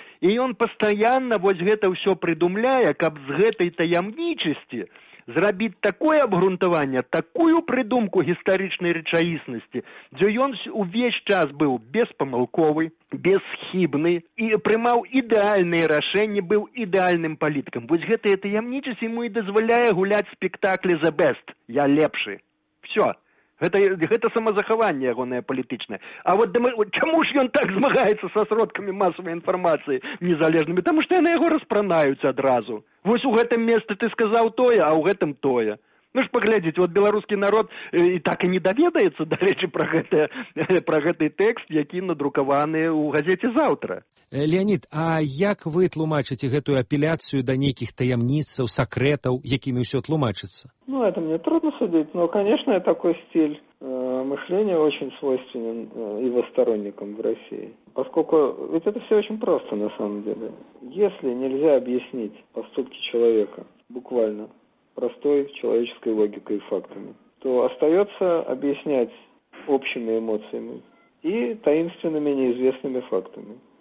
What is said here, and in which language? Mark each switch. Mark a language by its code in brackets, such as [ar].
[be] І ён пастаянна вось гэта ўсё прыдумляе, каб з гэтай таямнічасці зрабіць такое абгрунтаванне, такую прыдумку гістарычнай рэчаіснасці, дзе ён увесь час быў беспамылковы, бесхібны і прымаў ідэальныя рашэнні, быў ідэальным палітыкам. Вось гэтая таямнічасць яму і дазваляе гуляць спектаклі [en] «The best», [be] «Я лепшы». [ru] Всё. [be] Гэта самазахаванне ягонае палітычнае. [ru] А вот [be] чаму ж ён так змагаецца са сродкамі масавай інфармацыі незалежнымі? Таму што яны яго распранаюць адразу. Вось у гэтым месцы ты сказаў тое, а ў гэтым тое. Ну ж паглядзіць, вот беларускі народ і так і не даведаецца, дарэчы, пра гэты тэкст, які надрукаваны ў газеце «Заўтра». Леанід, а як вы тлумачыце гэтую апеляцыю да нейкіх таямніцаў, сакрэтаў, якімі ўсё тлумачыцца? [ru] Ну, это мне трудно судить, но, конечно, такой стиль мышления очень свойственен его сторонникам в России. Поскольку, ведь это все очень просто на самом деле. Если нельзя объяснить поступки человека буквально простой человеческой логикой и фактами, то остается объяснять общими эмоциями и таинственными неизвестными фактами.